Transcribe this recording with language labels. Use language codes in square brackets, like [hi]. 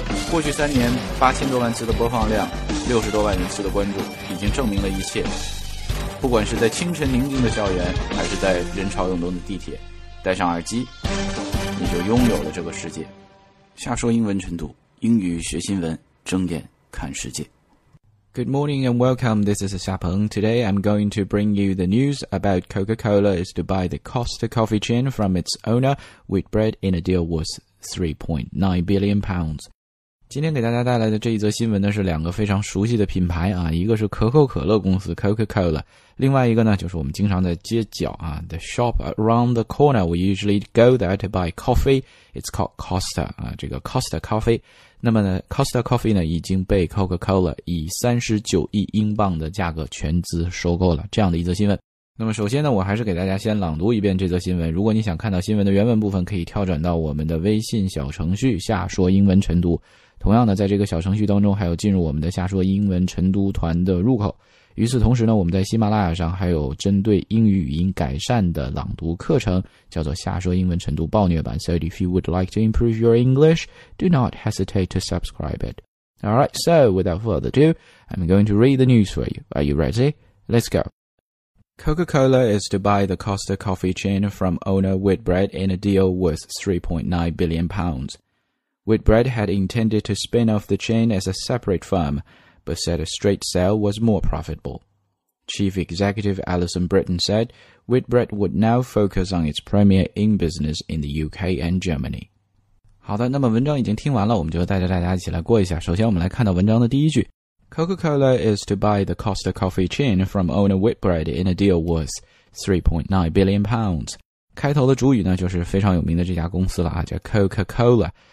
[zh] 过去三年，8000多万次的播放量，60多万人次的关注，已经证明了一切。不管是在清晨宁静的校园，还是在人潮涌动的地铁，戴上耳机，你就拥有了这个世界。下说英文晨读，英语学新闻，睁眼看世界。 [en] Good morning and welcome. This is Xia Peng. Today I'm going to bring you the news about Coca-Cola is to buy the Costa coffee chain from its owner with Bread in a deal worth £3.9 billion. [zh] 今天给大家带来的这一则新闻呢是两个非常熟悉的品牌啊，一个是可口可乐公司 Coca-Cola, 另外一个呢就是我们经常在街角啊 , [en] the shop around the corner, we usually go there to buy coffee, it's called Costa, [zh] 啊这个 Costa coffee. 那么呢 Costa Coffee 呢已经被 Coca-Cola 以39亿英镑的价格全资收购了，这样的一则新闻。那么首先呢我还是给大家先朗读一遍这则新闻，如果你想看到新闻的原文部分可以跳转到我们的微信小程序下说英文晨读，同样呢在这个小程序当中还有进入我们的下说英文晨读团的入口。与此同时呢我们在喜马拉雅上还有针对英语语音改善的朗读课程，叫做下说英文晨读暴虐版。 [en] So if you would like to improve your English, do not hesitate to subscribe it. Alright, so without further ado, I'm going to read the news for you. Are you ready? Let's go. Coca-Cola is to buy the Costa coffee chain from owner Whitbread in a deal worth £3.9 billion. Whitbread had intended to spin off the chain as a separate firm,but said a straight sale was more profitable. Chief Executive Alison Britton said Whitbread would now focus on its premier ink business in the UK and Germany. [zh] 好的，那么文章已经听完了，我们就带着大家一起来过一下。首先我们来看到文章的第一句， [en] Coca-Cola is to buy the Costa coffee chain from owner Whitbread in a deal worth £3.9 billion. [zh] 开头的主语呢就是非常有名的这家公司了，叫 Coca-Cola。